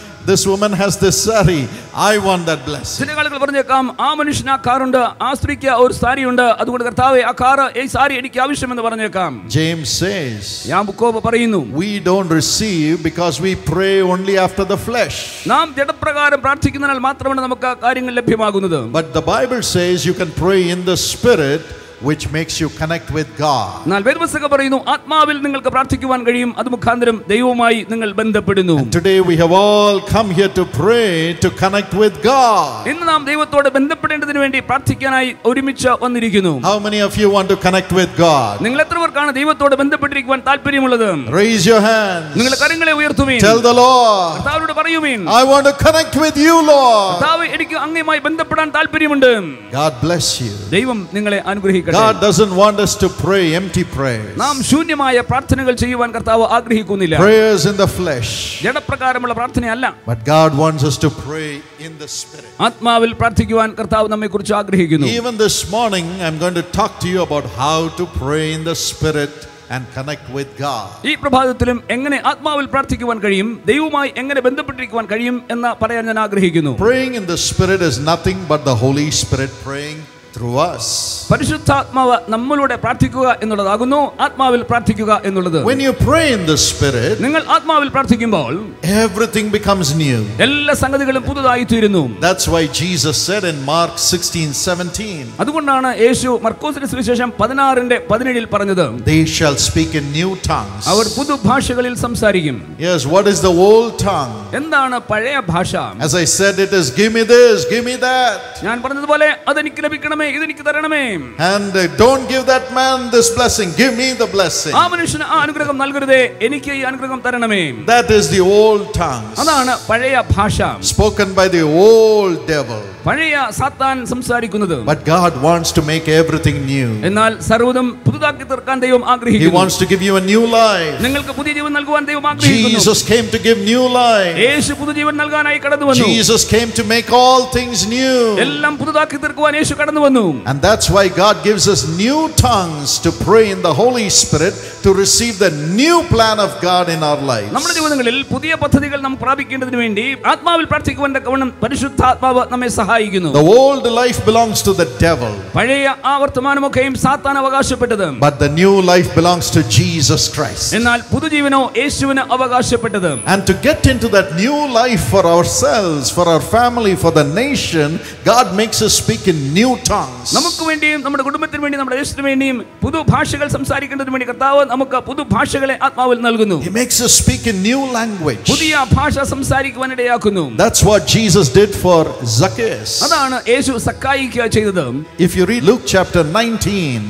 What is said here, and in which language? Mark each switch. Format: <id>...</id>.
<en>This woman has this sari. I want that blessing.</en> <ml>ജനങ്ങൾ പറഞ്ഞേക്കാം, ആ മനുഷ്യന് ആ കാറുണ്ട്, ആ സ്ത്രീക്ക് ഒരു സാരി ഉണ്ട്, അതുകൊണ്ട് കർത്താവേ ആ കാറ് ഈ സാരി എനിക്ക് ആവശ്യമെന്ന് പറഞ്ഞേക്കാം.</ml> <en>James says,</en> <ml>യാക്കോബ് പറയുന്നു,</ml> <en>we don't receive because we pray only after the flesh.</en> <ml>നാം ജഡപ്രകാരം പ്രാർത്ഥിക്കുന്നതിനാൽ മാത്രമാണ് നമുക്ക് കാര്യങ്ങൾ ലഭ്യമാകുന്നത്.</ml> <en>But the Bible says you can pray in the spirit, which makes you connect with God.</en> <ml>നാൽ വേദപുസ്തകം പറയുന്നു, ആത്മാവിൽ നിങ്ങൾക്ക് പ്രാർത്ഥിക്കുവാൻ കഴിയും, അത് മുഖാന്തരം ദൈവവുമായി നിങ്ങൾ ബന്ധപ്പെടുന്നു.</ml> <en>And today we have all come here to pray to connect with God.</en> <ml>ഇന്ന് നാം ദൈവത്തോട് ബന്ധപ്പെടേണ്ടതിനു വേണ്ടി പ്രാർത്ഥിക്കാനായി ഒരുമിച്ച് വന്നിരിക്കുന്നു.</ml> <en>How many of you want to connect with God?</en> <ml>നിങ്ങൾ എത്ര പേർക്കാണ് ദൈവത്തോട് ബന്ധപ്പെട്ടിരിക്കുവാൻ താൽപര്യമുള്ളത്?</ml> <en>Raise your hands.</en> <ml>നിങ്ങൾ കരങ്ങളെ ഉയർത്തുവീൻ.</ml> <en>Tell the Lord.</en> <ml>കർത്താവോട് പറയുവീൻ.</ml> <en>I want to connect with you, Lord.</en> <ml>കർത്താവേ എനിക്ക് അങ്ങയുമായി ബന്ധപ്പെടാൻ താൽപര്യമുണ്ട്.</ml> <en>God bless you.</en> <ml>ദൈവം നിങ്ങളെ അനുഗ്രഹിക്കട്ടെ.</ml> <en>God doesn't want us to pray empty prayers.</en> <ml>നാം ശൂന്യമായ പ്രാർത്ഥനകൾ ചെയ്യുവാൻ കർത്താവ് ആഗ്രഹിക്കുന്നില്ല.</ml> <en>Prayers in the flesh.</en> <ml>ജഡപ്രകാരമുള്ള പ്രാർത്ഥനയല്ല.</ml> <en>But God wants us to pray in the spirit.</en> <ml>ആത്മാവിൽ പ്രാർത്ഥിക്കുവാൻ കർത്താവ് നമ്മെക്കുറിച്ച് ആഗ്രഹിക്കുന്നു.</ml> <en>Even this morning I'm going to talk to you about how to pray in the spirit and connect with God.</en> <ml>ഈ പ്രഭാതത്തിലും എങ്ങനെ ആത്മാവിൽ പ്രാർത്ഥിക്കുവാൻ കഴിയും, ദൈവവുമായി എങ്ങനെ ബന്ധപ്പെട്ടിരിക്കുവാൻ കഴിയും എന്ന് പറയാൻ ഞാൻ ആഗ്രഹിക്കുന്നു.</ml> <en>Praying in the spirit is nothing but the Holy Spirit praying through us.</en> <ml>പരിശുദ്ധാത്മാവ് നമ്മളോട് പ്രാർത്ഥിക്കുക എന്നുള്ളതാകുന്നു ആത്മാവിൽ പ്രാർത്ഥിക്കുക എന്നുള്ളത്.</ml> <en>When you pray in the spirit,</en> <ml>നിങ്ങൾ ആത്മാവിൽ പ്രാർത്ഥിക്കുമ്പോൾ</ml> <en>everything becomes new.</en> <ml>എല്ലാ സംഗതികളും പുതുതായി തീരുന്നു.</ml> <en>That's why Jesus said in Mark 16:17.</en> <ml>അതുകൊണ്ടാണ് യേശു മർക്കോസിന്റെ സുവിശേഷം 16:17-ൽ പറഞ്ഞത്.</ml> <en>They shall speak in new tongues.</en> <ml>അവർ പുതുഭാഷകളിൽ സംസാരിക്കും.</ml> <en>Yes, what is the old tongue?</en> <ml>എന്താണ് പഴയ ഭാഷ?</ml> <en>As I said, it is give me this, give me that.</en> <ml>ഞാൻ പറഞ്ഞതുപോലെ അതെനിക്ക് ലഭിക്കണമേ, ഇതെനിക്ക് തരണമേ.</ml> <en>And don't give that man this blessing, give me the blessing.</en> <ml>ആ മനുഷ്യന് ആ അനുഗ്രഹം നൽകരുതേ, എനിക്ക് ഈ അനുഗ്രഹം തരണമേ.</ml> <en>That is the old tongue.</en> <ml>അതാണ് പഴയ ഭാഷ.</ml> <en>Spoken by the old devil.</en> <ml>പഴയ സാത്താൻ സംസാരിക്കുന്നത്.</ml> <en>But God wants to make everything new.</en> <ml>എന്നാൽ സർവ്വതും പുതുതാക്കി തീർക്കാൻ ദൈവം ആഗ്രഹിക്കുന്നു.</ml> <en>He wants to give you a new life.</en> <ml>നിങ്ങൾക്ക് പുതിയ ജീവൻ നൽകുവാൻ ദൈവം ആഗ്രഹിക്കുന്നു.</ml> <en>Jesus came to give new life.</en> <ml>യേശു പുതുജീവൻ നൽകാനായി കടന്നു വന്നു.</ml> <en>Jesus came to make all things new.</en> <ml>എല്ലാം പുതുതാക്കി തീർക്കുവാൻ യേശു കടന്നു വന്നു.</ml> <en>And that's why God gives us new tongues to pray in the Holy Spirit to receive the new plan of God in our lives.</en> <ml>നമ്മുടെ ജീവിതങ്ങളിൽ പുതിയ പദ്ധതികൾ നാം പ്രാപിക്കേണ്ടതിനു വേണ്ടി ആത്മാവിൽ പ്രാർത്ഥിക്കുവാൻ തക്കവണ്ണം പരിശുദ്ധാത്മാവ് നമ്മെ സഹായിക്കുന്നു.</ml> <en>The old life belongs to the devil.</en> <ml>പഴയ ആ വർത്തമാനമൊക്കെയും സാത്താൻ അവകാശപ്പെട്ടതു.</ml> <en>But the new life belongs to Jesus Christ.</en> <ml>എന്നാൽ പുതുജീവനോ യേശുവിന് അവകാശപ്പെട്ടതു.</ml> <en>And to get into that new life for ourselves, for our family, for the nation, God makes us speak in new tongues.</en> <ml>നമുക്ക് വേണ്ടിയും നമ്മുടെ കുടുംബത്തിന് വേണ്ടിയും നമ്മുടെ ദേശത്തിന് വേണ്ടിയും പുതുഭാഷകൾ സംസാരിക്കേണ്ടതിന് വേണ്ടി കർത്താവ് നമുക്ക് പുതുഭാഷകളെ ആത്മാവിൽ നൽകുന്നു.</ml> <en>He makes us speak in new language.</en> <ml>പുതിയ ഭാഷ സംസാരിക്കുവാൻ ഇടയാക്കുന്നു.</ml> <en>That's what Jesus did for Zacchaeus.</en> <ml>അതാണ് യേശു സക്കായിക്ക് ചെയ്തത്.</ml> <en>If you read Luke chapter 19,</en>